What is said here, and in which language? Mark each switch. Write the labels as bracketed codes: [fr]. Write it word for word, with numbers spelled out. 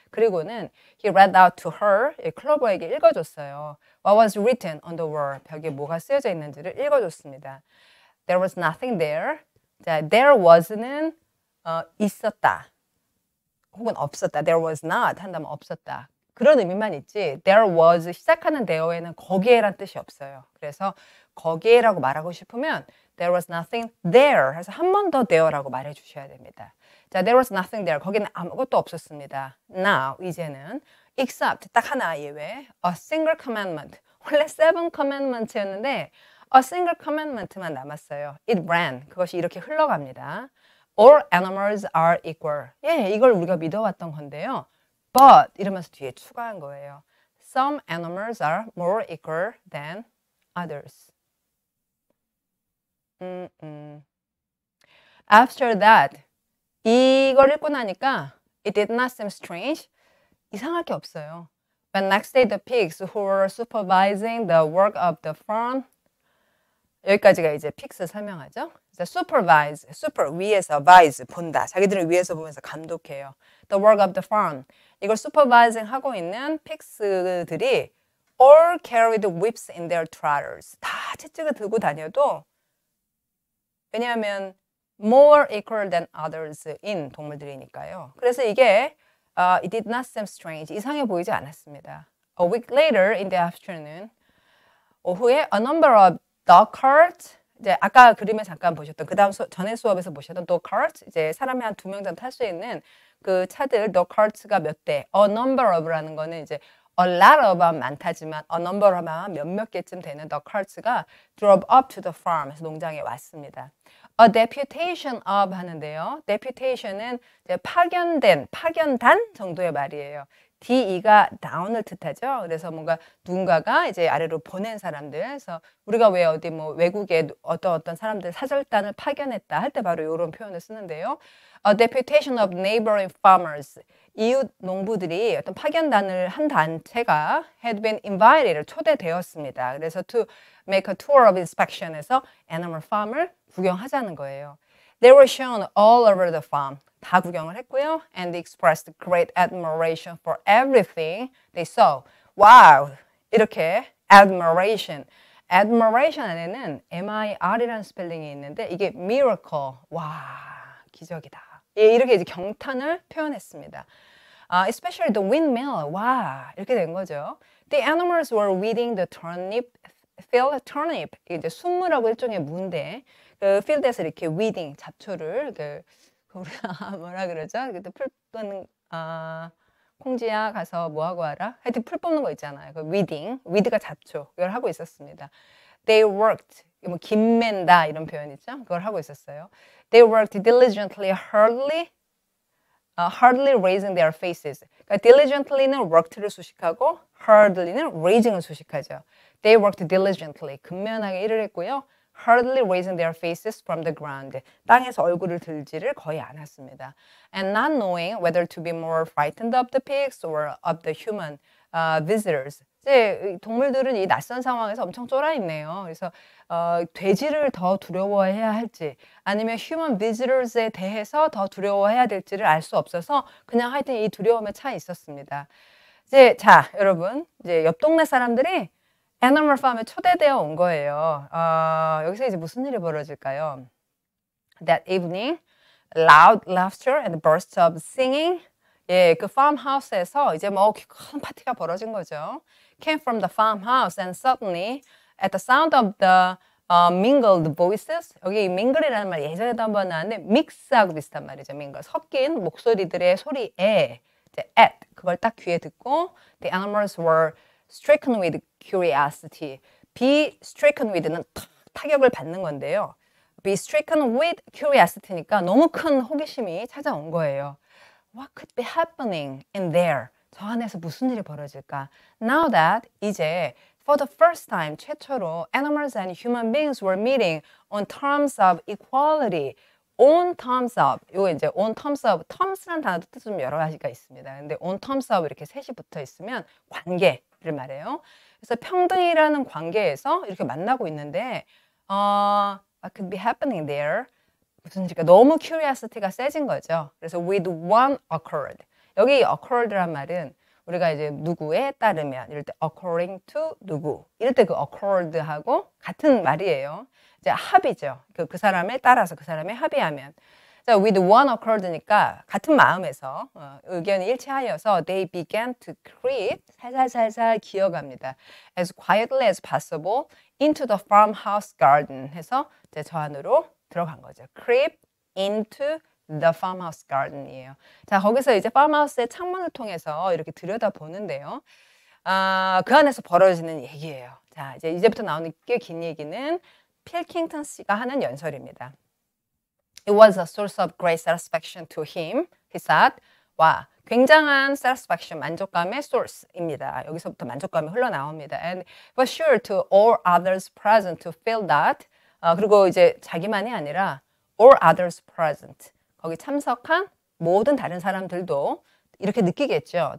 [ko] 그리고는 [en] he read out to her, [ko] 클로버에게 읽어줬어요. [en] What was written on the wall, [ko] 벽에 뭐가 쓰여져 있는지를 읽어줬습니다. [en] There was nothing there. [ko] 자, [en] there was [ko] 는 어, 있었다, 혹은 없었다. [en] There was not [ko] 한다면 없었다. 그런 의미만 있지 [en] there was [ko] 시작하는 there에는 거기에란 뜻이 없어요. 그래서 거기에라고 말하고 싶으면 [en] there was nothing there [ko] 해서 한 번 더 there라고 말해주셔야 됩니다. [en] 자, there was nothing there. [ko] 거기는 아무것도 없었습니다. [en] Now, [ko] 이제는 [en] except, [ko] 딱 하나 예외 [en] a single commandment. [ko] 원래 [en] seven commandments [ko] 였는데 [en] a single commandment [ko] 만 남았어요. [en] It ran. [ko] 그것이 이렇게 흘러갑니다. [en] All animals are equal. [ko] 예, 이걸 우리가 믿어왔던 건데요. [en] But [ko] 이러면서 뒤에 추가한 거예요. [en] Some animals are more equal than others. 음, 음. After that, [ko] 이걸 읽고 나니까 [en] it did not seem strange. [ko] 이상할 게 없어요. [en] But next day, the pigs who were supervising the work of the farm. [ko] 여기까지가 이제 pigs 설명하죠. supervise, super 위에서 vise 본다. 자기들을 위에서 보면서 감독해요. [en] The work of the farm. [ko] 이걸 [en] supervising [ko] 하고 있는 [en] pigs들이 all carried whips in their trotters. [ko] 다 채찍을 들고 다녀도 왜냐하면 [en] more equal than others [ko] in 동물들이니까요. 그래서 이게 [en] uh, it did not seem strange. [ko] 이상해 보이지 않았습니다. [en] A week later in the afternoon, [ko] 오후에 [en] a number of dog carts [ko] 이제 아까 그림에 잠깐 보셨던 그다음 수, 전에 수업에서 보셨던 dog carts 이제 사람이 한 두 명 정도 탈 수 있는 그 차들 dog carts가 몇 대 [en] a number of [ko] 라는 거는 이제 [en] a lot of [ko] 많다지만 a number of 몇몇 개쯤 되는 dog carts가 [en] drove up to the farm [ko] 해서 농장에 왔습니다. [en] A deputation of [ko] 하는데요. deputation은 이제 파견된, 파견단 정도의 말이에요. 디이가 down을 뜻하죠. 그래서 뭔가 누군가가 이제 아래로 보낸 사람들. 그래서 우리가 왜 어디 뭐 외국에 어떤 어떤 사람들 사절단을 파견했다 할 때 바로 이런 표현을 쓰는데요. [en] A deputation of neighboring farmers. [ko] 이웃 농부들이 어떤 파견단을 한 단체가 [en] had been invited, [ko] 초대되었습니다. 그래서 [en] to make a tour of inspection [ko] 해서 animal farm을 구경하자는 거예요. [en] They were shown all over the farm. [ko] 다 구경을 했고요. [en] And they expressed great admiration for everything they saw. 와우! [ko] 이렇게 admiration. admiration 안에는 mir이라는 스펠링이 있는데 이게 miracle. 와, 기적이다. 예, 이렇게 이제 경탄을 표현했습니다. [en] Uh, especially the windmill. [ko] 와, 이렇게 된 거죠. [en] The animals were weeding the turnip field. turnip. [ko] 이게 이제 순무라고 일종의 무인데 그 필드에서 이렇게 weeding, 잡초를 그 우리가 뭐라 그러죠? 또 풀 뽑는 아 콩지야 가서 뭐 하고 와라? 하여튼 풀 뽑는 거 있잖아요. 그 weeding, weed가 잡초 이걸 하고 있었습니다. [en] They worked [ko] 뭐 김맨다 이런 표현 있죠? 그걸 하고 있었어요. [en] They worked diligently, hardly, uh, hardly raising their faces. [ko] 그러니까 diligently는 worked를 수식하고 hardly는 raising을 수식하죠. [en] They worked diligently, [ko] 근면하게 일을 했고요. [en] hardly raising their faces from the ground. [ko] 땅에서 얼굴을 들지를 거의 않았습니다. [en] And not knowing whether to be more frightened of the pigs or of the human uh, visitors. [ko] 이제 동물들은 이 낯선 상황에서 엄청 쫄아 있네요. 그래서 어, 돼지를 더 두려워해야 할지 아니면 human visitors에 대해서 더 두려워해야 될지를 알 수 없어서 그냥 하여튼 이 두려움에 차 있었습니다. 이제 자, 여러분 이제 옆 동네 사람들이 애니멀 팜에 초대되어 온 거예요. 어, 여기서 이제 무슨 일이 벌어질까요? [en] That evening, loud laughter and bursts of singing. [ko] 예, 그 farmhouse에서 이제 뭐 큰 파티가 벌어진 거죠. [en] Came from the farmhouse and suddenly at the sound of the uh, mingled voices. [ko] 여기 mingle이라는 말 예전에도 한번 나왔는데 믹스하고 비슷한 말이죠. mingle. 섞인 목소리들의 소리에 이제 at 그걸 딱 귀에 듣고 [en] the animals were stricken with curiosity. be stricken with [ko] 는 타격을 받는 건데요. [en] be stricken with curiosity [ko] 니까 너무 큰 호기심이 찾아온 거예요. [en] What could be happening in there? [ko] 저 안에서 무슨 일이 벌어질까? [en] Now that 이제 for the first time [ko] 최초로 [en] animals and human beings were meeting on terms of equality. on terms of [ko] 이거 이제 on terms of terms라는 단어도 뜻 좀 여러 가지가 있습니다. 근데 on terms of 이렇게 셋이 붙어 있으면 관계 말해요. 그래서 평등이라는 관계에서 이렇게 만나고 있는데 어, [en] what could be happening there? [ko] 무슨 일까? 너무 curiosity가 세진 거죠. 그래서 [en] with one accord. [ko] 여기 accord란 말은 우리가 이제 누구에 따르면 이럴 때 [en] according to [ko] 누구 이럴 때 그 accord하고 같은 말이에요. 이제 합의죠. 그, 그 사람에 따라서 그 사람에 합의하면. 자, [en] with one accord [ko] 니까 같은 마음에서 어, 의견이 일치하여서 [en] they began to creep [ko] 살살살살 기어갑니다. [en] as quietly as possible into the farmhouse garden [ko] 해서 이제 저 안으로 들어간 거죠. [en] creep into the farmhouse garden이에요. [ko] 자, 거기서 이제 farmhouse의 창문을 통해서 이렇게 들여다보는데요. 아, 그 안에서 벌어지는 얘기예요. 자, 이제 이제부터 나오는 꽤 긴 얘기는 필킹턴 씨가 하는 연설입니다. [en] It was a source of great satisfaction to him. He said, [ko] 와, 굉장한 satisfaction, 만족감의 source입니다. 여기서부터 만족감이 흘러나옵니다. [en] And for sure to all others present to feel that. [ko] 어, 그리고 이제 자기만이 아니라 [en] all others present. [ko] 거기 참석한 모든 다른 사람들도 이렇게 느끼겠죠.